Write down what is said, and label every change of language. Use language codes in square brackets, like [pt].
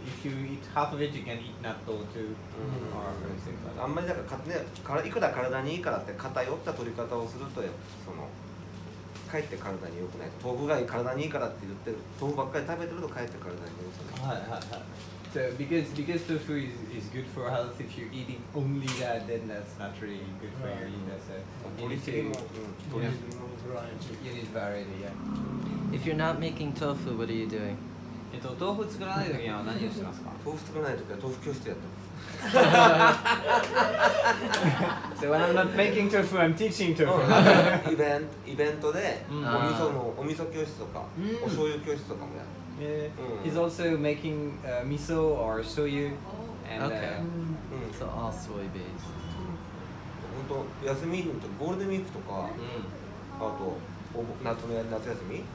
[en] If you eat half of it, you can eat natto too. [ja] あんまりだから、ね、いくら体にいいからって偏った取り方をすると、そのかえって体に良くない。豆腐が体にいいからって言ってる。豆腐ばっかり食べてるとかえって体に良くない。はいはいはい。 [en] So because tofu is good for health, if you're eating only that, then that's not really good for your eating. That's it. You need variety, yeah. If you're not making tofu, what are you doing? [ja] 豆腐作らない時は何をしてますか？豆腐作らない時は豆腐教室やってます。 [en] So when I'm not making tofu, I'm teaching tofu. [ja] イベントでお味噌教室とか、お醤油教室とかもやる。 [en] He's also making miso or shoyu. And, okay. So all soy based. [ja] 本当休みのとゴールデンウィークとか、あと夏休み、